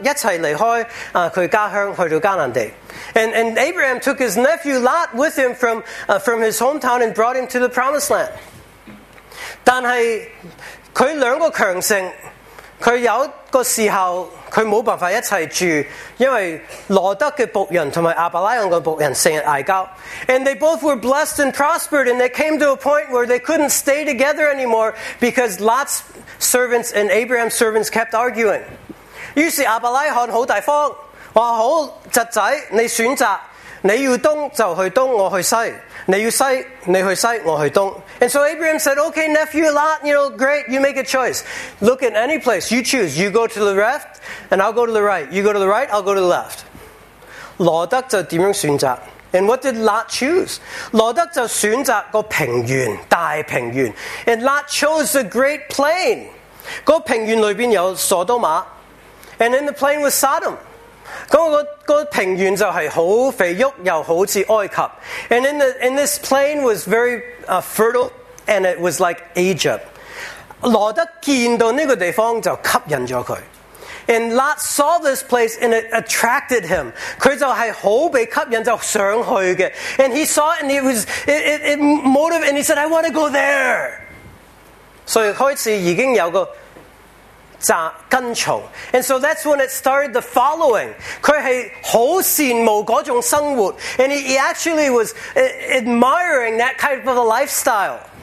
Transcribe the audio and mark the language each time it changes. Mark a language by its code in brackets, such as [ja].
[zh] 亚伯拉罕带他的侄子罗德一起离开他家乡去到迦南地。 [en] And Abraham took his nephew Lot with him from his hometown and brought him to the promised land. [zh] 但是他两个强盛，他有个时候他没办法一起住，因为罗德的仆人和亚伯拉罕的仆人经常吵架。 [en] And they both were blessed and prospered, and they came to a point where they couldn't stay together anymore because Lot's servants and Abraham's servants kept arguing. [zh] 于是亚伯拉罕很大方。哇，好，侄仔，你选择，你要东就去东，我去西，你要西，你去西，我去东。 [en] And so Abraham said, okay, nephew Lot, you know, great, you make a choice. Look at any place, you choose. You go to the left, and I'll go to the right. You go to the right, I'll go to the left. [zh] 罗德就怎样选择? [en] And what did Lot choose? [zh] 罗德就选择个平原，大平原。 [en] And Lot chose the great plain. [zh] 个平原里面有索多玛, [en] and in the plain was Sodom. [zh] 那个平原就是很肥沃又好像埃及。 [en] And in this plain was very fertile, and it was like Egypt. [zh] 罗德见到这个地方就吸引了他。 [en] And Lot saw this place, and it attracted him. [zh] 他就是很被吸引就想去的。 [en] And he saw it, and it motivated, and he said, I want to go there. [zh] 所以开始已经有个 跟从。 [en] And so that's when it started the following. [zh] 他是很羡慕那种生活。 [en] And he actually was admiring that kind of a lifestyle.